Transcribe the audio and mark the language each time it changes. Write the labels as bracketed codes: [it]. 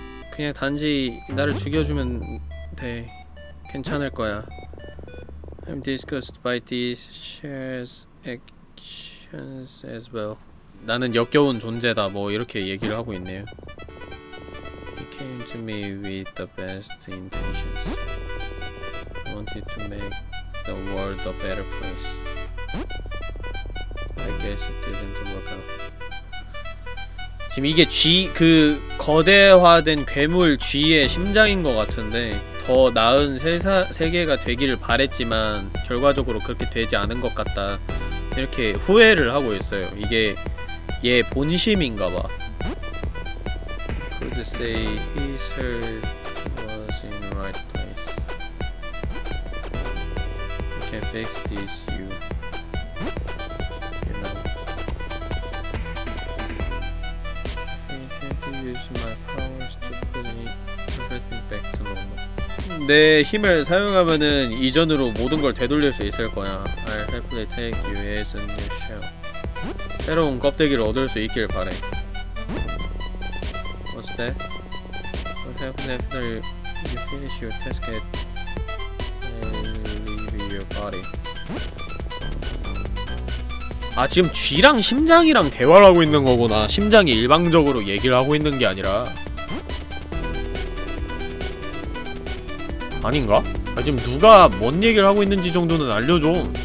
[ko] 그냥 단지 나를 죽여주면 돼. 괜찮을 거야. [en] I'm disgusted by these shares actions as well. [ko] 나는 역겨운 존재다. 뭐 이렇게 얘기를 하고 있네요. [en] Came to me with the best intentions. Wanted to make the world a better place. I guess it didn't work out. [ko] 지금 이게 쥐, 그 거대화된 괴물 쥐의 심장인 것 같은데 더 나은 세계가 되기를 바랬지만 결과적으로 그렇게 되지 않은 것 같다. 이렇게 후회를 하고 있어요. 이게 얘 본심인가 봐. [en] To say his heart was in the right place. You can fix this, you. You know. If I intend to use my powers to put everything back to normal. [ko] 내 힘을 사용하면은 이전으로 모든 걸 되돌릴 수 있을 거야. [en] I'll happily take you as a new shell. [ko] 새로운 껍데기를 얻을 수 있길 바래. [en] What's that? What happens after you finish your task at leave your body? [ko] 아 지금 쥐랑 심장이랑 대화를 하고 있는 거구나. 심장이 일방적으로 얘기를 하고 있는 게 아니라. 아닌가? 아 지금 누가 뭔 얘기를 하고 있는지 정도는 알려줘.